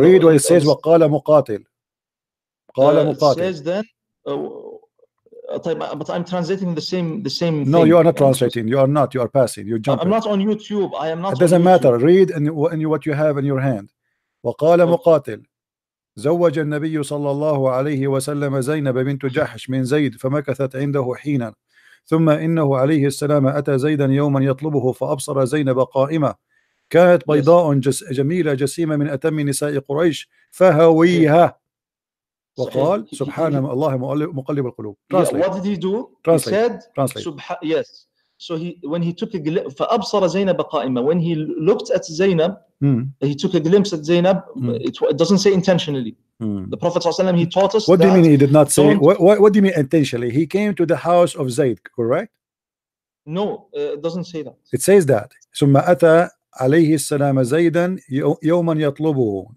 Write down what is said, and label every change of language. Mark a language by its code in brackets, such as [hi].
[en] read what it says. [ar] وَقَالَ مُقَاتِلٌ. قَالَ مُقَاتِلٌ. [en] It says then. But I'm translating the same. No, thing. You are not translating. You are not. You are passing. You jump. I'm not on YouTube. I am not. It doesn't matter. Read and what you have in your hand. [ar] وَقَالَ مُقَاتِلٌ. زوج النبي صلى الله عليه وسلم زينب بنت جحش من زيد فمكثت عنده حينا ثم إنه عليه السلام أتى زيدا يوما يطلبه فأبصر زينب قائمة كانت بيضاء جميلة جسيمة من أتم نساء قريش فهويها وقال سبحان الله مقلب القلوب. [en] Translate. What did he do? Translate. He said Translate. Yes. So he when he took a glimpse, [ar] فأبصر زينب قائمة. [en] When he looked at Zainab, he took a glimpse at Zainab. It doesn't say intentionally. The Prophet ﷺ, he taught us. What do you mean he did not say? What do you mean intentionally? He came to the house of Zayd, correct? No, it doesn't say that. It says that. [ar] ثم أتى عليه السلام زيدا يوما يطلبه.